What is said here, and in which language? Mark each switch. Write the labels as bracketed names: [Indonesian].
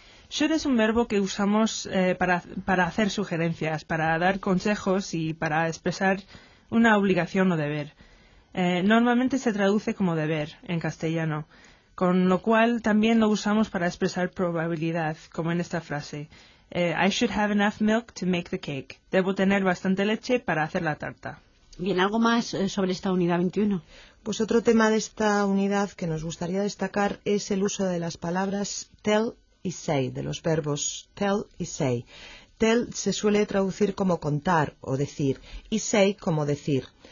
[Spanish] Should es un verbo que usamos para hacer sugerencias, para dar consejos y para expresar una obligación o deber. Normalmente se traduce como deber en castellano, con lo cual también lo usamos para expresar probabilidad, como en esta frase. [English] I should have enough milk to make the cake. [Spanish] Debo tener bastante leche para hacer la tarta. Bien, ¿algo más sobre esta unidad 21? Pues otro tema de esta unidad que nos gustaría destacar es el uso de las palabras tell y say, de los verbos tell y say. Tell se suele traducir como contar o decir, y say como decir.